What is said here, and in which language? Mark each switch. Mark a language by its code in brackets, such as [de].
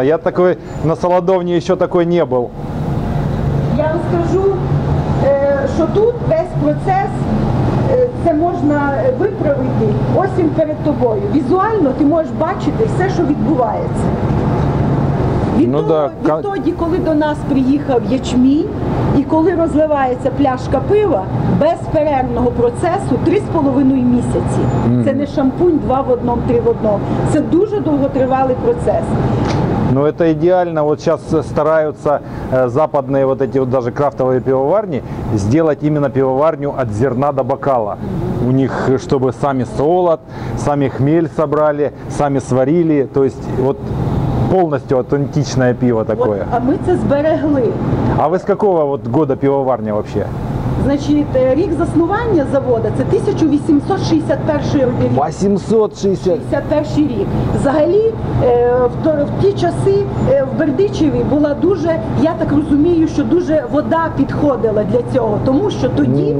[ru] Я такой на солодовне еще такой не был. Я вам скажу, что тут весь процесс, это можно выправить, [uk] ось перед тобой. [ru] Визуально ты можешь бачити все, что происходит. Ну, [uk] відтоді, коли до нас приїхав ячмінь, і коли розливається пляшка пива, без перервного процесу 3,5 місяці. Mm-hmm. Це не шампунь 2 в 1, 3 в 1. Це дуже довготривалий процес. [ru] Ну, это идеально. Вот сейчас стараются западные вот эти вот даже крафтовые пивоварни сделать именно пивоварню от зерна до бокала. У них, чтобы сами солод, сами хмель собрали, сами сварили. То есть, вот полностью аутентичное пиво такое. Вот, а мы это сберегли. А вы с какого вот года пивоварня вообще? [uk] Значит, рік заснування завода – це 1861 рік. 1861 рік. Взагалі, в ті часи в Бердичеві була дуже, я так розумію, що дуже вода підходила для цього. Тому що тоді